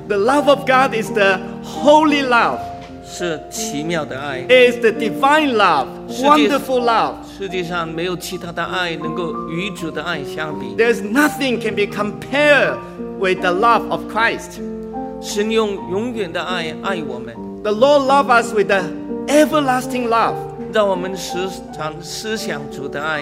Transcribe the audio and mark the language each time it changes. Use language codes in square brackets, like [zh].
[en] The love of God is the holy love. [zh] 是奇妙的爱。 [en] Is the divine love, wonderful love. [zh] 世界上没有其他的爱能够与主的爱相比。 [en] There's nothing can be compared with the love of Christ. [zh] 神用永远的爱爱我们。 [en] The Lord loves us with the everlasting love. [zh] 让我们时常思想主的爱。